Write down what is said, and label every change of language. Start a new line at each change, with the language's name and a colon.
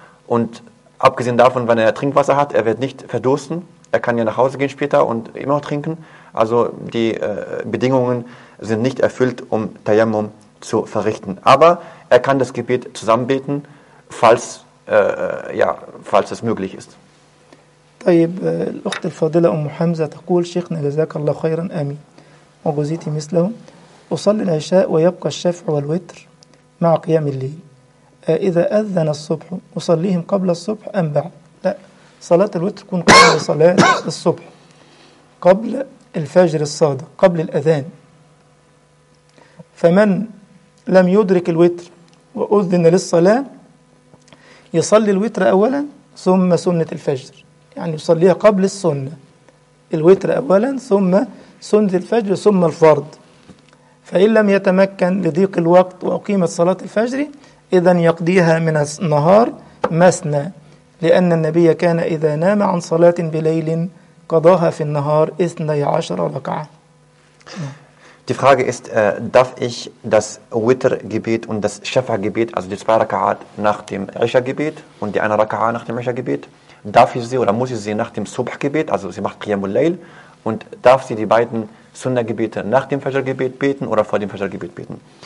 German: Und abgesehen davon, wenn er Trinkwasser hat, er wird nicht verdursten. Er kann ja nach Hause gehen später und immer noch trinken. Also die Bedingungen sind nicht erfüllt, um Tayammum zu verrichten. Aber er kann das Gebet zusammenbeten, falls, ja, falls es möglich ist.
Arabic: طيب الأخت الفاضلة أم حمزة تقول شيخنا جزاك الله خيرا آمين وجوزيتي مثله أصلي العشاء ويبقى الشفع والوتر مع قيام الليل إذا أذن الصبح أصليهم قبل الصبح أم بعد لا صلاة الوتر تكون قبل صلاة الصبح قبل الفجر الصادق قبل الأذان فمن لم يدرك الوتر وأذن للصلاة يصلي الوتر أولا ثم سنة الفجر يعني يصليها قبل السنة الوتر أولا ثم سنة الفجر ثم الفرض فإن لم يتمكن لضيق الوقت وأقيمت صلاة الفجر إذن يقضيها من النهار مثنى لأن النبي كان إذا نام عن صلاة بليل قضاها في النهار 12 ركعة.
German: Die Frage ist, darf ich das Witr-Gebet und das Schafa-Gebet, also die zwei Raka'at nach dem Isha-Gebet und die eine Raka'at nach dem Isha-Gebet, darf ich sie oder muss ich sie nach dem Subh-Gebet, also sie macht Qiyamul Layl, und darf sie die beiden Sunnah-Gebete nach dem Fajr-Gebet beten oder vor dem Fajr-Gebet beten?